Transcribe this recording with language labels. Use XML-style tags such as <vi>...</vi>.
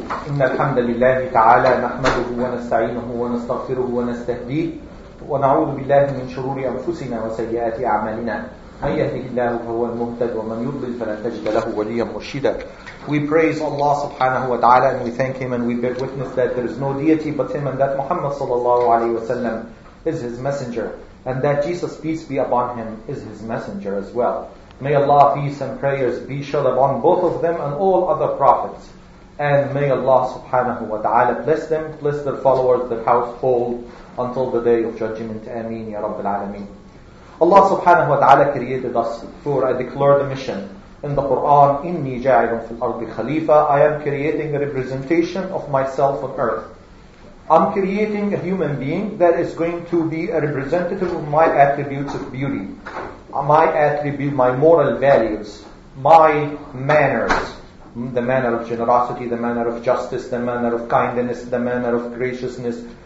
<ar>إن الحمد لله تعالى نحمده ونستعينه ونستغفره ونستهديه ونعوذ بالله من شرور أنفسنا وسيئات أعمالنا. من يهده الله فهو المهتد ومن يضلل فلن تجد له وليا مرشدا.</ar> <en>We praise Allah subhanahu wa ta'ala and we thank him and we bear witness that there is no deity but him and that Muhammad sallallahu alayhi wa sallam is his messenger and that Jesus peace be upon him is his messenger as well. May Allah peace and prayers be shall upon both of them and all other prophets. And may Allah subhanahu wa ta'ala bless them, bless their followers, their household, until the day of judgment. Ameen, ya Rabbil Alameen. Allah subhanahu wa ta'ala created us for a declared mission. In the Quran,</en> <ar>إِنِّي جَاعِلٌ فِي الْأَرْضِ خَلِيفَةً.</ar> <en>I am creating a representation of myself on earth. I'm creating a human being that is going to be a representative of my attributes of beauty. My attribute, my moral values, my manners. The manner of generosity, the manner of justice, the manner of kindness, the manner of graciousness.</en>